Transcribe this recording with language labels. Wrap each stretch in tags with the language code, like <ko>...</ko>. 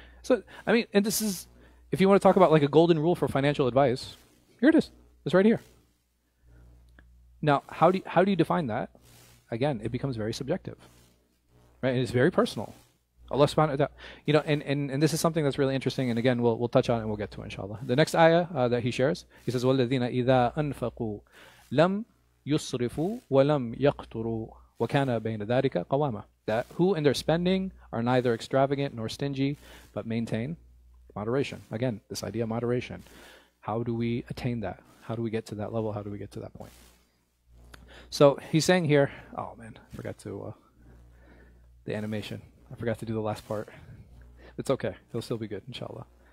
<en>So I mean, and this is, if you want to talk about like a golden rule for financial advice, here it is. It's right here. Now, how do you define that? Again, it becomes very subjective, right? And it's very personal. Allah subhanahu wa ta'ala, you know, and this is something that's really interesting. And again, we'll touch on it and we'll get to it, inshallah. The next ayah that he shares, he says,</en> <ar>وَالَّذِينَ إِذَا أَنفَقُوا لَمْ يُصْرِفُوا وَلَمْ يَقْتُرُوا وَكَانَ بَيْنَ ذَٰلِكَ قَوَامًا.</ar> <en>That who in their spending are neither extravagant nor stingy, but maintain moderation. Again, this idea of moderation. How do we attain that? How do we get to that level? How do we get to that point? So he's saying here, oh man, I forgot to the animation. I forgot to do the last part. It's okay. It'll still be good, inshallah.</en>